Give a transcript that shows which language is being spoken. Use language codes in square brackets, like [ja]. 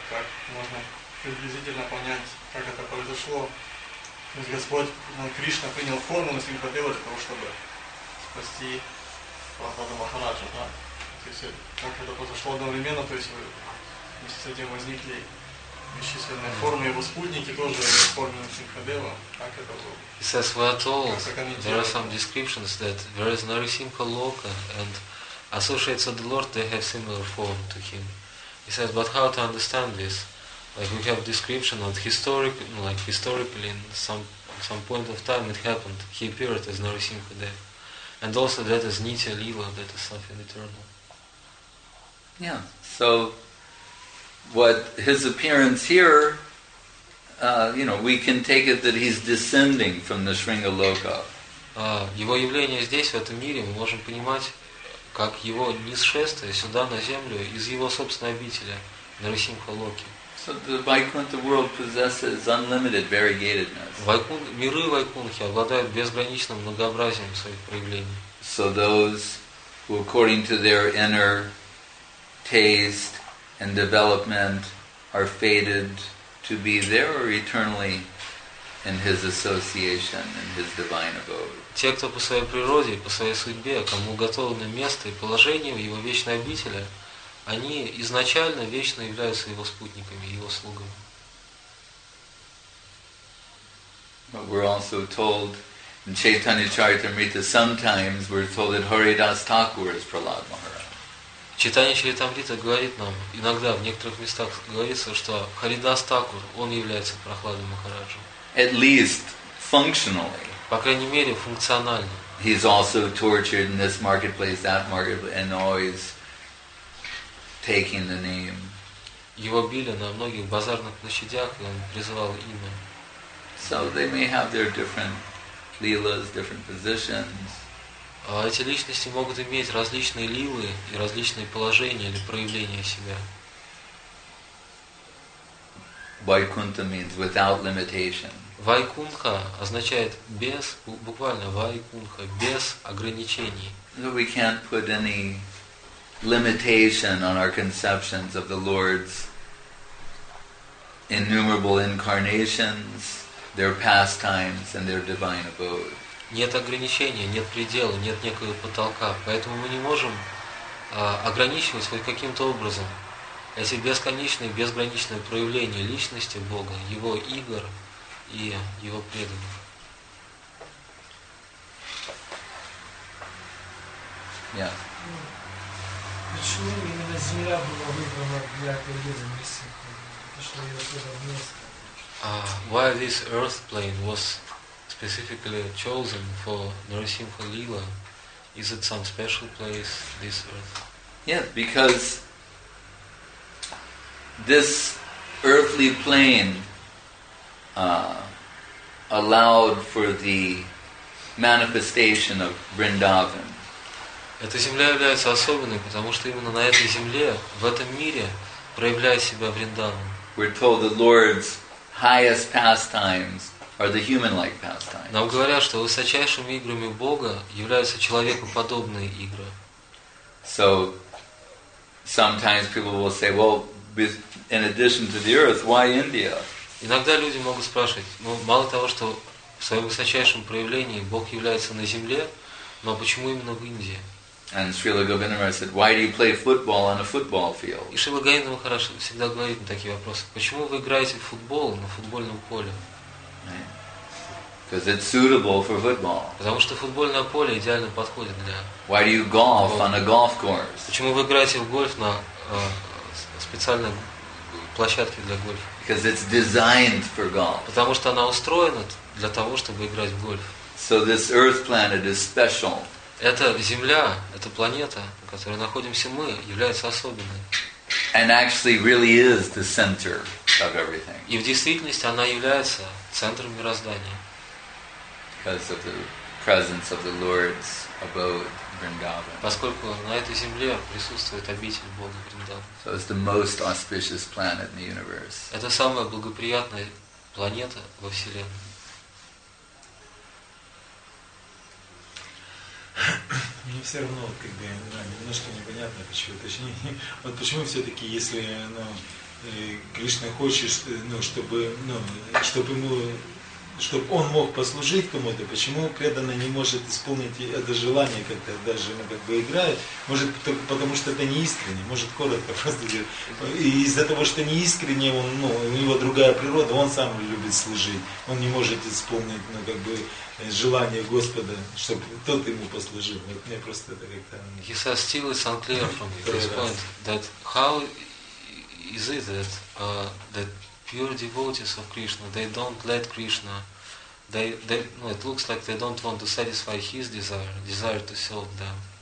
[ru] Как можно приблизительно понять, как это произошло? То есть Господь, Кришна принял форму Нисима Хабела для того, чтобы спасти Прахлада Махараджа, да? То есть как это произошло одновременно, то есть вместе с этим возникли [en] He says, we are told there are some descriptions that there is Narasimha Loka and associates of the Lord, they have similar form to him. He says, but how to understand this? Like we have description of historically in some point of time it happened. He appeared as Narasimha Dev. And also that is Nitya Lila, that is something eternal. Yeah, so what his appearance here, we can take it that he's descending from the Sringa Loka. [ru] Его явление здесь, в этом мире, мы можем понимать, как его нисшествие сюда, на землю, из его собственной обители, Нарасимха Локи. [en] So the Vaikuntha world possesses unlimited variegatedness. [ru] Миры Вайкунхи обладают безграничным многообразием своих проявлений. [en] So those who, according to their inner taste, and development are fated to be there or eternally in his association, in his divine abode. [ru] Те, кто по своей природе, по своей судьбе, кому уготовано место и положение в его вечной обители, они изначально вечно являются его спутниками, его слугами. [en] But we're also told in Chaitanya Charitamrita, sometimes we're told that Haridas Thakur is Prahlad Maharaj. [ru] Читание Чаритамрита говорит нам, иногда в некоторых местах говорится, что Харидас Такур, он является Прахладой Махараджа. [en] At least functionally. [ru] По крайней мере, функционально. [en] He's also tortured in this marketplace, that marketplace, and always taking the name. [ru] Его били на многих базарных площадях, и он призывал имя. [en] So they may have their different lilas, different positions. [ru] Эти личности могут иметь различные лилы и различные положения или проявления себя. [en] Vaikuntha means without limitation. [ru] Vaikuntha означает без, буквально Vaikuntha, без ограничений. [en] So we can't put any limitation on our conceptions of the Lord's innumerable incarnations, their pastimes and their divine abode. [ru] Нет ограничения, нет предела, нет некого потолка. Поэтому мы не можем ограничивать хоть каким-то образом Если бесконечное, безграничное проявление личности Бога, Его игр и Его преданных. Почему именно Земля была выбрана для преданных Мессии? Потому что ее выбрал место. [en] Why this earth plane was specifically chosen for Narasimha Lila? Is it some special place, this earth? Yeah, because this earthly plane allowed for the manifestation of Vrindavan. [ru] Эта земля является особенной, потому что именно на этой земле, в этом мире, проявляет себя Вриндаван. [en] We're told the Lord's highest pastimes are the human-like pastimes. [ru] Нам говорят, что высочайшими играми Бога являются человекоподобные игры. [en] So sometimes people will say, well, in addition to the earth, why India? [ru] Иногда люди могут спрашивать, ну, мало того, что в своем высочайшем проявлении Бог является на земле, но почему именно в Индии? [en] And Srila Govindamara said, why do you play football on a football field? [ru] И Шрила Говинда Махарадж всегда говорит на такие вопросы, почему вы играете в футбол на футбольном поле? [en] Because it's suitable for football. [ru] Потому что футбольное поле идеально подходит для. [en] Why do you golf on a golf course? [ru] Почему вы играете в гольф на специальной площадке для гольфа? [en] Because it's designed for golf. [ru] Потому что она устроена для того, чтобы играть в гольф. [en] So this earth planet is special. [ru] Эта земля, эта планета, на которой находимся мы, является особенной. [en] And actually really is the center of everything. [ru] И в действительности она является центром мироздания. [en] Because of the presence of the Lord's abode, Vrindavan. [ru] Поскольку на этой земле присутствует обитель Бога Вриндавана. [en] So it's the most auspicious planet in the universe. [ru] Это самая благоприятная планета во Вселенной. Мне все равно как бы немножко непонятно, почему. Точнее, вот почему все-таки, если Кришна хочет, чтобы он мог послужить кому-то, почему преданный не может исполнить это желание, как-то даже как бы играет? Может, только потому что это неискренне, может, коротко просто делать. Из-за того, что неискренне, он, ну, у него другая природа, он сам любит служить. Он не может исполнить, ну, как бы, желание Господа, чтобы тот ему послужил. Вот мне просто это как-то... [en] He says, still it's unclear from this point, that how is it that... that pure devotees of Krishna, they don't let Krishna, it looks like they don't want to satisfy his desire to serve them.